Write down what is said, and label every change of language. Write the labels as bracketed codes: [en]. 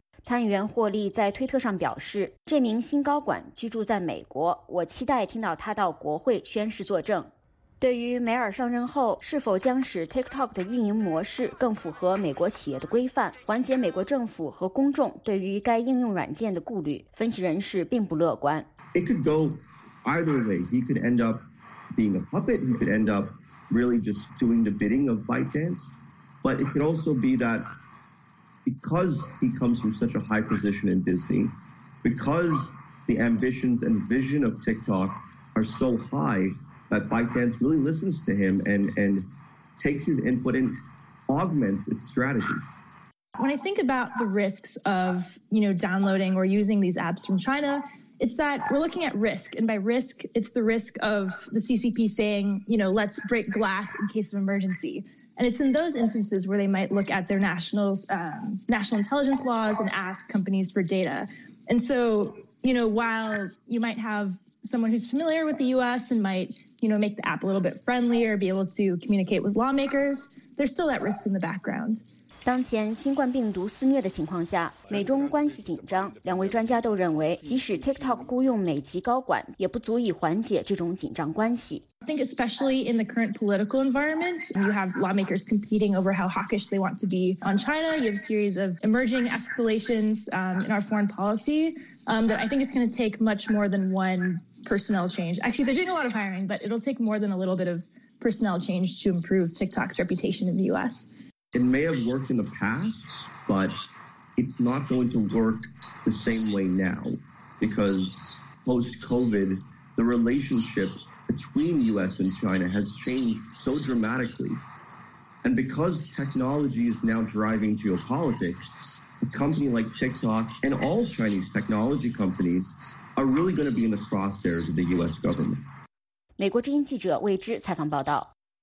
[zh] 参议员霍利在推特上表示，这名新高管居住在美国，我期待听到他到国会宣誓作证。对于梅尔上任后是否将使 TikTok 的运营模式更符合美国企业的规范，缓解美国政府和公众对于该应用软件的顾虑，分析人士并不乐观。 [en] It could go either way. He could end up being a puppet. He could end up really just doing the bidding of ByteDance. But it could also be thatBecause he comes from such a high position in Disney, because the ambitions and vision of TikTok are so high that ByteDance really listens to him and takes his input and augments its strategy. When I think about the risks of, you know, downloading or using these apps from China, it's that we're looking at risk. And by risk, it's the risk of the CCP saying, you know, let's break glass in case of emergency. And it's in those instances where they might look at their national intelligence laws and ask companies for data. And so, you know, while you might have someone who's familiar with the U.S. and might, you know, make the app a little bit friendlier, be able to communicate with lawmakers, there's still that risk in the background. [zh] 当前新冠病毒肆虐的情况下，美中关系紧张，两位专家都认为，即使 TikTok 雇佣美籍高管，也不足以缓解这种紧张关系。 [en] I think especially in the current political environment, you have lawmakers competing over how hawkish they want to be on China. You have a series of emerging escalations, in our foreign policy, that I think it's going to take much more than one personnel change. Actually, they're doing a lot of hiring, but it'll take more than a little bit of personnel change to improve TikTok's reputation in the U.S. It may have worked in the past, but it's not going to work the same way now because post-COVID, the relationship between U.S. and China has changed so dramatically. And because technology is now driving geopolitics, a company like TikTok and all Chinese technology companies are really going to be in the crosshairs of the U.S. government. [zh] 美国之音记者魏之采访报道。